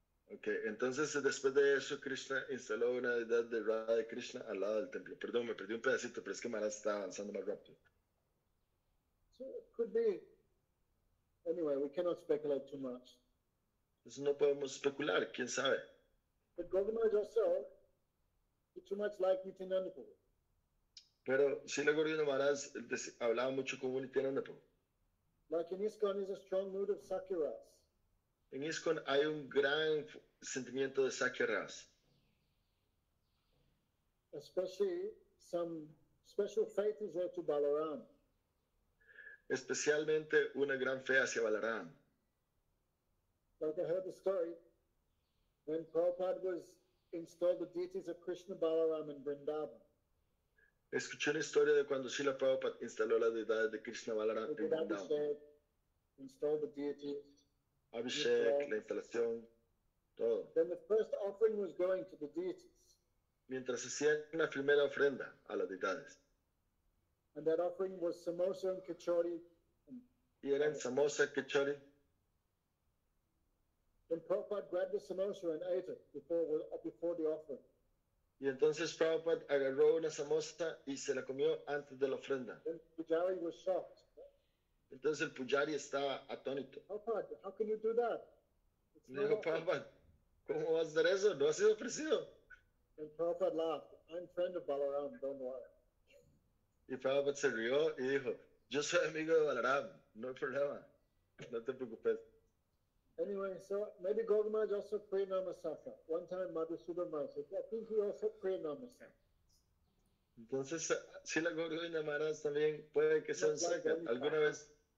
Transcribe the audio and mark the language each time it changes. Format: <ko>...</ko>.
<es>Okay, entonces después de eso Krishna instaló una deidad de Radha y Krishna al lado del templo. Perdón, me perdí un pedacito, pero es que Maharaj está avanzando más rápido.</es> <en>So it could be. Anyway, we cannot speculate too much.</en> <es>Entonces no podemos especular, quién sabe.</es> <en>But Guru Maharaj also is too much like Nityananda Prabhu.</en> <es>Pero si la Guru Maharaj hablaba mucho como Nityananda Prabhu.</es> <en>Like in ISKCON is a strong mood of Sakyaras.</en> <es>En ISKCON hay un gran sentimiento de Sakya Ras.</es> <en>Especially some special faith is there to Balaram.</en> <es>Especialmente una gran fe hacia Balaram.</es> <en>Like I heard the story, when Prabhupada was installed the deities of Krishna Balaram in Vrindavan.</en> <es>Escuché una historia de cuando Srila Prabhupada instaló las deidades de Krishna Balaram en Vrindavan.</es> <en>install the deities,</en> <es>Abhishek, la instalación, todo.</es> <en>Then the first offering was going to the deities.</en> <es>Mientras hacían la primera ofrenda a las deidades.</es> <en>And that offering was samosa and kachori.</en> <es>Y eran samosa, kachori.</es> <en>Then Prabhupada grabbed the samosa and ate it before the offering.</en> <es>Y entonces Prabhupada agarró una samosa y se la comió antes de la ofrenda.</es> <en>Pujari was shocked.</en> <es>Entonces el pujari estaba atónito.</es> <en>Prabhupada, how can you do that?</en> <es>Le dijo, Prabhupada, ¿cómo vas a hacer eso? No ha sido ofrecido.</es> <en>And Prabhupada laughed. I'm friend of Balaram, don't worry.</en> <es>Y Prabhupada se rió y dijo, yo soy amigo de Balaram, no hay problema, no te preocupes.</es> <en>Anyway, so maybe Gauri Maharaj also prayed Namasaka. One time Madhusudan Maharaj said, I think he also prayed Namasaka.</en> <es>Entonces, si la Gauri Maharaj también puede que sea un Saka, alguna vez.</es>